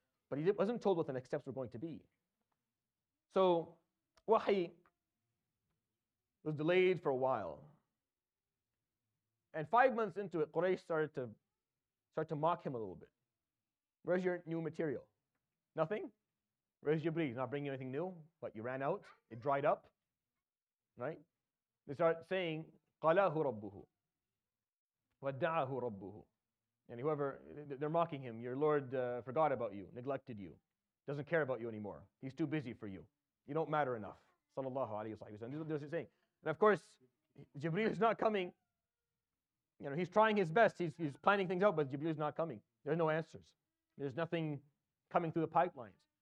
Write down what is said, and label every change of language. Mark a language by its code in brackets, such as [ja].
[en] But he wasn't told what the next steps were going to be. So, wahi was delayed for a while. And 5 months into it, Quraysh started to mock him a little bit. Where's your new material? Nothing? Where's Jibreel? Not bringing anything new? But you ran out? It dried up? Right? They start saying, [ar] قَلَاهُ رَبُّهُ وَدَّعَهُ رَبُّهُ. [en] And whoever, they're mocking him. Your Lord forgot about you, neglected you, doesn't care about you anymore. He's too busy for you. You don't matter enough. Sallallahu alayhi wa sallam. This is what they're saying. And of course, Jibreel is not coming. You know, he's trying his best. He's planning things out, but Jibreel is not coming. There's no answers. There's nothing coming through the pipelines.